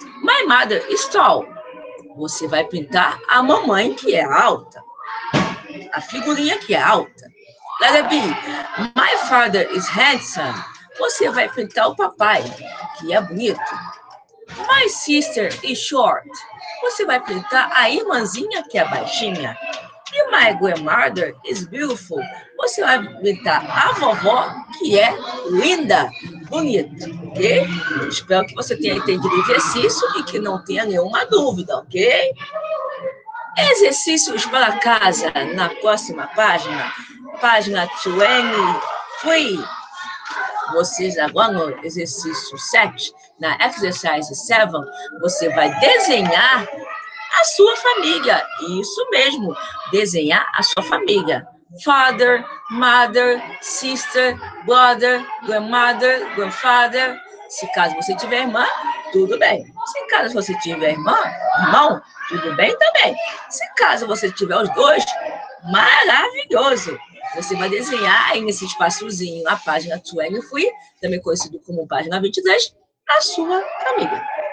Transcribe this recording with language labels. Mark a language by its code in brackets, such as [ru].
[en] My mother is tall. [pt] Você vai pintar a mamãe, que é alta. A figurinha que é alta. [en] Let it be. My father is handsome. [pt] Você vai pintar o papai, que é bonito. [en] My sister is short. [pt] Você vai pintar a irmãzinha, que é baixinha. [en] E my grandmother is beautiful. [pt] Você vai pintar a vovó, que é linda, bonita, ok? Espero que você tenha entendido o exercício e que não tenha nenhuma dúvida, ok? Exercícios para casa na próxima página. Página 23. Vocês agora no exercício 7, na exercise 7, você vai desenhar a sua família. Isso mesmo, desenhar a sua família. [en] father, mother, sister, brother, grandmother, grandfather. [pt] Se caso você tiver irmã, tudo bem. Se caso você tiver irmã, irmão, tudo bem também. Se caso você tiver os dois, maravilhoso. Você vai desenhar aí nesse espaçozinho a página 23, também conhecido como página 22, a sua família.